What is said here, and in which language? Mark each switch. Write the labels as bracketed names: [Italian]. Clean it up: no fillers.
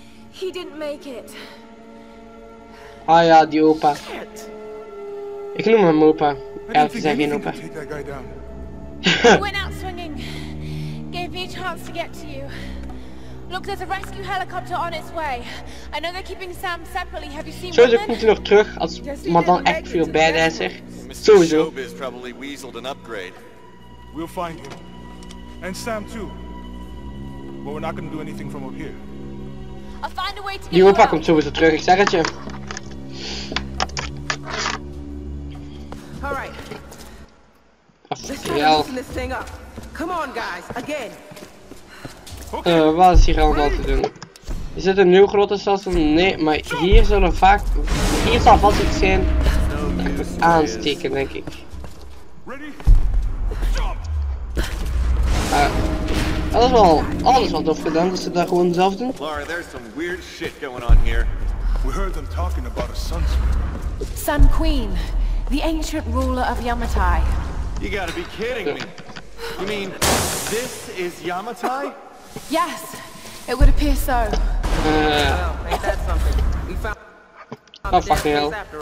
[English] He didn't make it. [Dutch] Ah ja, die opa. Ik noem hem opa. Elke zijn geen opa. [English] He went out swinging. Gave me a chance to get to you. Look, there's a rescue helicopter on its way. I know they're keeping Sam separately. Have you seen? [Dutch] Sowieso komt hij nog terug als maar dan echt veel badasser. [English] Sowieso. Showbiz probably weaseled an upgrade. We'll find him and Sam too. But we're not gonna do anything from up here. I'll find a way to get you. [Dutch] Die opa komt sowieso terug. Ik zeg het je. [English] All right. Let's try loosen this thing up. Come on, guys, again. [Dutch] Wat is hier allemaal te doen? Is dit een nieuw grote station? Nee, maar hier zullen vaak. Hier zal vast iets zijn. Aansteken, denk ik. Dat is wel alles wat tof gedaan, dat ze dat gewoon zelf doen. [English] Lara, there's some weird shit going on here. We heard them talking about a sun spirit. Sun Queen, the ancient ruler of Yamatai. You gotta be kidding me. You mean this is Yamatai? Yes, it would appear so. Well, ain't that something? We found. Oh, fucking hell.